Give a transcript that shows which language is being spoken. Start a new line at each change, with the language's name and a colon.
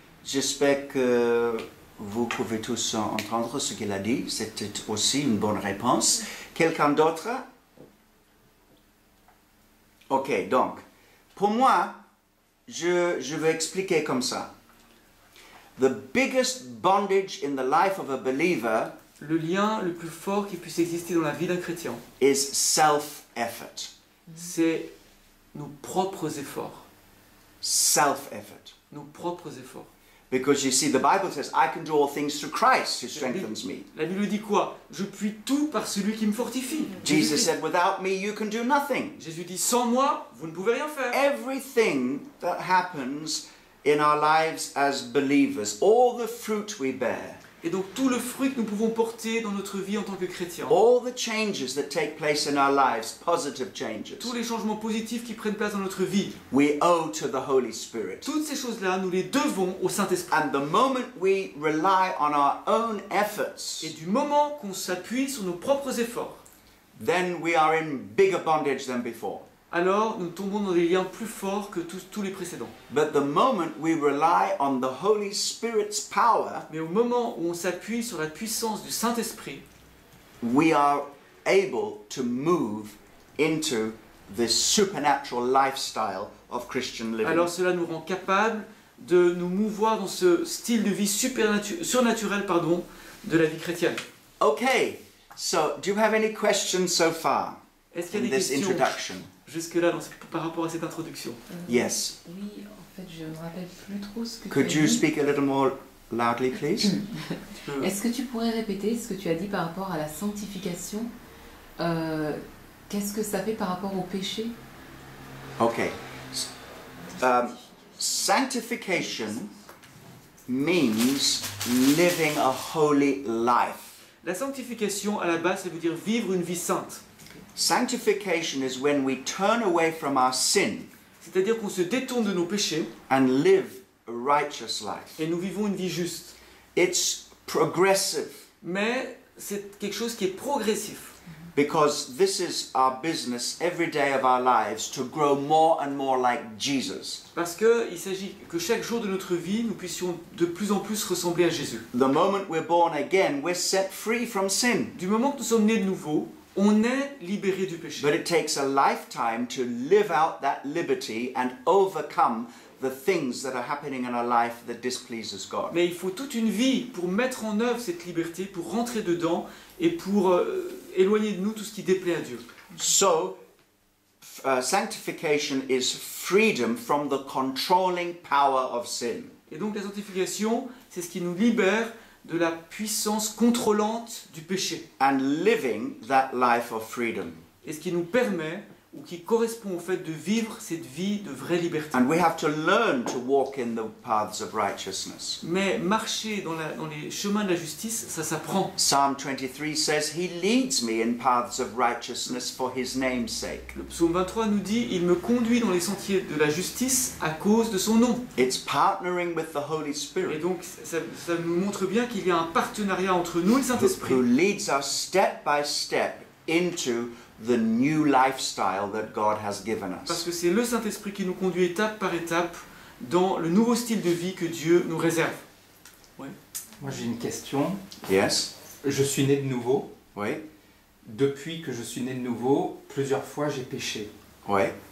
French: J'espère que vous pouvez tous entendre ce qu'il a dit. C'était aussi une bonne réponse. Quelqu'un d'autre? Ok, donc, pour moi, je vais expliquer comme ça.
English: The biggest bondage in the life of a believer.
French: Le lien le plus fort qui puisse exister dans la vie d'un chrétien
English: is self-effort.
French: C'est nos propres efforts.
English: Self-effort.
French: Nos propres efforts.
English: Because you see, the Bible says, I can do all things through Christ who strengthens me.
French: La Bible dit quoi? Je puis tout par celui qui me fortifie.
English: Jesus said, without me, you can do nothing.
French: Jésus dit, sans moi, vous ne pouvez rien faire.
English: Everything that happens in our lives as believers, all the fruit we bear,
French: et donc tout le fruit que nous pouvons porter dans notre vie en tant que chrétien.
English: All the changes that take place in our lives, positive changes.
French: Tous les changements positifs qui prennent place dans notre vie.
English: We owe to the Holy Spirit.
French: Toutes ces choses-là, nous les devons au Saint-Esprit.
English: And the moment we rely on our own efforts.
French: Et du moment qu'on s'appuie sur nos propres efforts.
English: Then we are in bigger bondage than before.
French: Alors, nous tombons dans des liens plus forts que tous les précédents.
English: But the moment we rely on the Holy Spirit's power,
French: mais au moment où on s'appuie sur la puissance du Saint-Esprit,
English: we are able to move into this supernatural lifestyle of Christian living.
French: Alors, cela nous rend capable de nous mouvoir dans ce style de vie surnaturel, pardon, de la vie chrétienne.
English: Okay. So, do you have any questions so far?
French: Est-ce qu'il y a des questions? Jusque-là, par rapport à cette introduction.
English: Yes.
French: Oui, en fait, je ne me rappelle plus trop ce que
English: Could
French: tu as dit.
English: Could you speak a little more loudly, please?
French: Est-ce que tu pourrais répéter ce que tu as dit par rapport à la sanctification? Qu'est-ce que ça fait par rapport au péché? Ok.
English: Sanctification means living a holy life.
French: La sanctification, à la base, ça veut dire vivre une vie sainte.
English: Sanctification is when we turn away from our sin.
French: C'est-à-dire qu'on se détourne de nos péchés.
English: And live a righteous life.
French: Et nous vivons une vie juste.
English: It's progressive.
French: Mais c'est quelque chose qui est progressif.
English: Because this is our business every day of our lives to grow more and more like Jesus.
French: Parce que il s'agit que chaque jour de notre vie nous puissions de plus en plus ressembler à Jésus.
English: The moment we're born again, we're set free from sin.
French: Du moment que nous sommes nés de nouveau, on est libéré du péché.
English: But it takes a lifetime to live out that liberty and overcome the things that are happening in our life that displeases God.
French: Mais il faut toute une vie pour mettre en œuvre cette liberté, pour rentrer dedans et pour éloigner de nous tout ce qui déplaît à Dieu.
English: So, sanctification is freedom from the controlling power of sin.
French: Et donc la sanctification, c'est ce qui nous libère de la puissance contrôlante du péché.
English: And living that life of freedom.
French: Et ce qui nous permet ou qui correspond au fait de vivre cette vie de vraie liberté.
English: And we have to learn to walk in the paths of righteousness.
French: Mais marcher dans les chemins de la justice, ça s'apprend.
English: Psalm 23 says he leads me in paths of righteousness for his name's sake.
French: Le psaume 23 nous dit il me conduit dans les sentiers de la justice à cause de son nom.
English: It's partnering with the Holy Spirit.
French: Et donc ça nous montre bien qu'il y a un partenariat entre nous et le Saint-Esprit.
English: Who leads us step by step into the new lifestyle that God has given us.
French: Parce que c'est le Saint-Esprit qui nous conduit étape par étape dans le nouveau style de vie que Dieu nous réserve. Ouais. Moi j'ai une question.
English: Yes.
French: Je suis né de nouveau. Oui. Depuis que je suis né de nouveau, plusieurs fois j'ai péché. Oui.